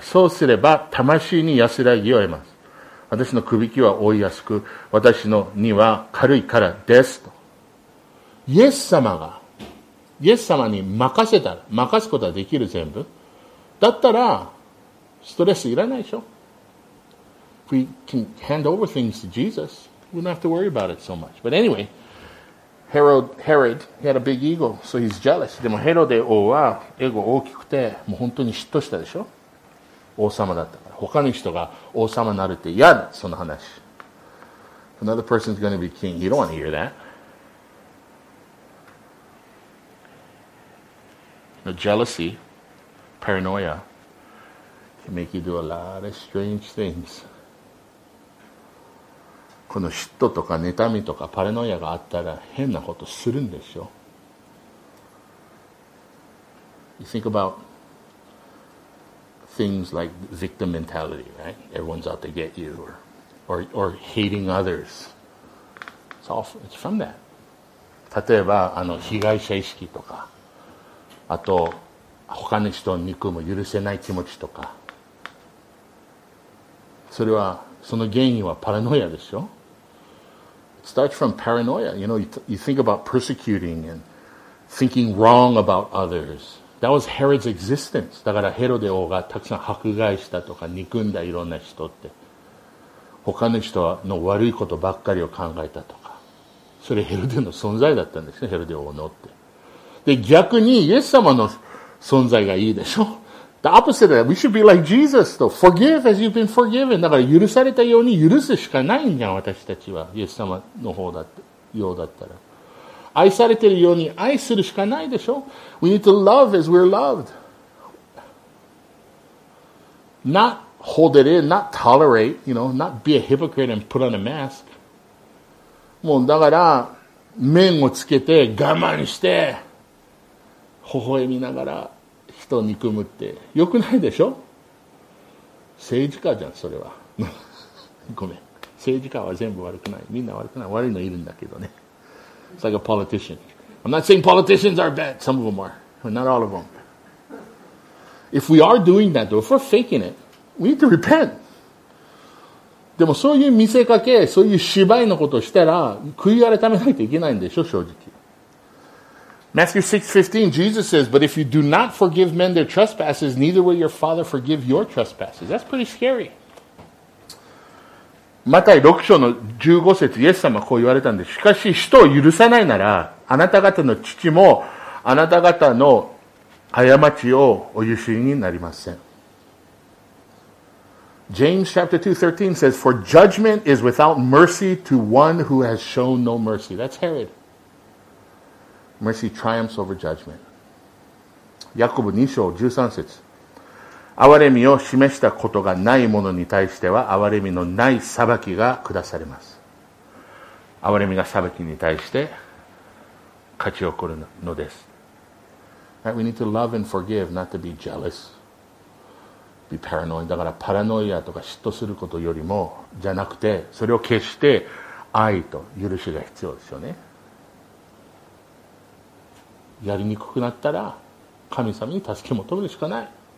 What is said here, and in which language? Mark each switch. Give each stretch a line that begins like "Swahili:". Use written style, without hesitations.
Japanese: そうすれば魂に安らぎを得ます。私の首輝きは負いやすく、私の荷は軽いからです。とイエス様が、イエス様に任せたら、任すことはできる全部。だったら、ストレスいらないでしょ。
English: We can hand over things to Jesus, we don't have to worry about it so much. But anyway, Herod, he had a big ego, so he's jealous.
Japanese: でもヘロデ王は、エゴ大きくて、もう本当に嫉妬したでしょ。王様だったから。他の人が王様になるって嫌だ、その話。
English: If another person's going to be king, you don't want to hear that. The jealousy, paranoia, can make you do a lot of strange things.
Japanese: この嫉妬とか妬みとかパラノイアがあったら変なことするんでしょ。
English: You think about things like victim mentality, right? Everyone's out to get you, or hating others. It's from that.
Japanese: 例えばあの被害者意識とか。あと他の人を憎む許せない気持ちとか、それはその原因はパラノイアでしょ。
English: It starts from paranoia. You know, you think about persecuting and thinking wrong about others. That was Herod's existence.
Japanese: だからヘロデ王がたくさん迫害したとか憎んだいろんな人って、他の人の悪いことばっかりを考えたとか、それヘロデの存在だったんですね、ヘロデ王のって。で逆にイエス様の存在がいいでしょ。
English: The opposite of that. We should be like Jesus though. Forgive as you've been forgiven.
Japanese: だから許されたように許すしかないんじゃん、私たちは。イエス様の方だって、ようだったら。愛されてるように愛するしかないでしょ。
English: We need to love as we're loved. Not hold it in, not tolerate, you know, not be a hypocrite and put on a mask.
Japanese: もうだから、面をつけて我慢して、微笑みながら人を憎むって良くないでしょ。政治家じゃんそれは。ごめん、政治家は全部悪くない、みんな悪くない、悪いのいるんだけどね。
English: It's like a politician. I'm not saying politicians are bad. Some of them are, but not all of them. If we are doing that though, if we're faking it, we need to repent.
Japanese: でもそういう見せかけ、そういう芝居のことをしたら悔い改めないといけないんでしょ、正直。
English: Matthew 6:15, Jesus says, but if you do not forgive men their trespasses, neither will your Father forgive your trespasses. That's pretty scary.
Japanese: マタイ6章の15節、イエス様はこう言われたんです。しかし、人を許さないなら、あなた方の父も、あなた方の過ちをお許しになりません。
English: James chapter 2:13 says, For judgment is without mercy to one who has shown no mercy. That's Herod. Mercy triumphs over judgment.
Japanese: ヤコブ2章13節。憐れみを示したことがない者に対しては、憐れみのない裁きが下されます。憐れみが裁きに対して、勝ち起こるのです。
English: Right, we need to love and forgive, not to be jealous. Be paranoid.
Japanese: だから、パラノイアとか嫉妬することよりも、じゃなくて、それを決して、愛と許しが必要ですよね。やりにくくなったら、神様に助け求めるしかない。